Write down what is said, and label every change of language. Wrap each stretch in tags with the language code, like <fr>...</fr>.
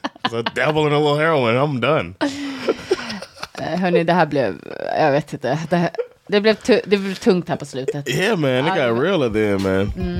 <en>So dabble in a little heroin, I'm done.</en> <sv>Hörrni, det här blev, jag vet inte, det blev tungt här på slutet.</sv> <en>Yeah man, it got real at the end man.</en>